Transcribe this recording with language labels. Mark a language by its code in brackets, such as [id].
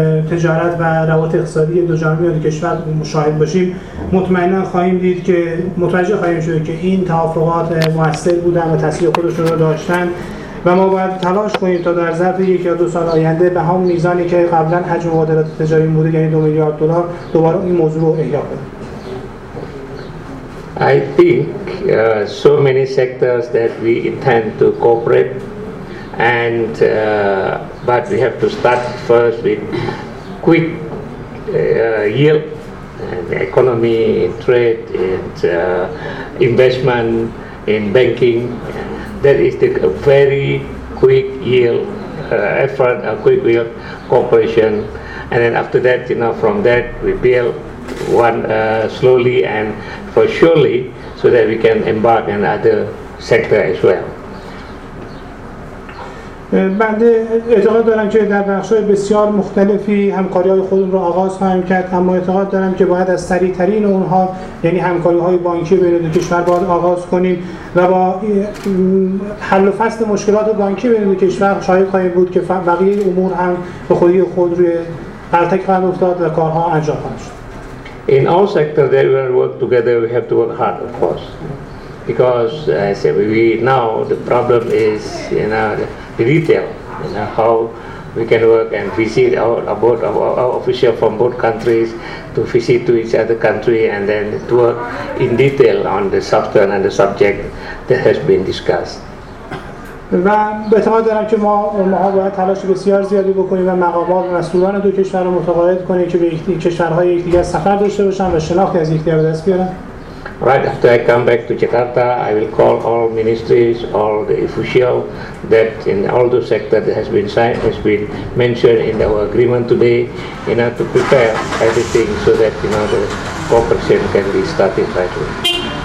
[fa] تجارت و روابط اقتصادی دو جانبه دو کشور مشاهده باشیم، مطمئنا خواهیم دید که متوجه خواهیم شد که این توافقات موثر بودن و تاثیر خودشون رو داشتن و ما باید تلاش کنیم تا در ظرف یک یا دو سال آینده به همون میزانی که قبلا حجم مبادلات تجاری بوده، یعنی 2 میلیارد دلار، دوباره این موضوع رو احیا کنیم. [en] I think so many sectors that we intend to cooperate and but we have to start first with quick yield and economy, trade and investment in banking. That is the very quick yield effort, a quick yield cooperation, And then after that, you know, from that we build one slowly and for surely, so that we can embark in other sector as well. [fa] بعد اعتقاد دارم که در بخش‌های بسیار مختلفی همکاری‌های خودم را آغاز خواهیم کرد، اما اعتقاد دارم که باید از سریع‌ترین اونها، یعنی همکاری‌های بانکی بین دو کشور باید آغاز کنیم و با حل و فصل مشکلات بانکی بین دو کشور شاید خواهیم بود که بقیه امور هم به خودی خود روی پرتک خواهد افتاد و کارها انجام خواهد شد. [en] In all sectors that we work together, we have to work hard, of course, because I say we now the problem is, you know, the detail, you know, how we can work and visit our official from both countries to visit to each other country and then to work in detail on the substance and the subject that has been discussed. [fa] و به اعتقاد دارم که ما باید تلاش بسیار زیادی بکنیم و مقامات و مسئولان دو کشور رو متقاعد کنیم که به کشورهای یکدیگر سفر داشته باشن و شناختی از یکدیگر به دست بیارن. [en] Right after I come back to Jakarta, I will call all ministries, all the officials that in all those sectors that has been signed, has been mentioned in our agreement today, you know, to prepare everything so that, you know, the cooperation can be started right away.